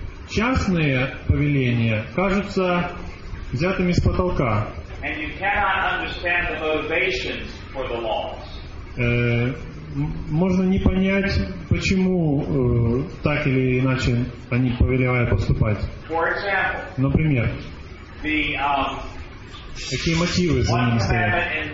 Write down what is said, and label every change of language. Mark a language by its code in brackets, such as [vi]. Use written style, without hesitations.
[ru] Частные повеления кажутся взятыми с потолка. [en] And you cannot understand the motivations for the laws. [ru] Можно не понять, почему так или иначе они повелевают поступать. [en] For example, [ru] например, [en] the, [ru] Какие мотивы за ними стоят?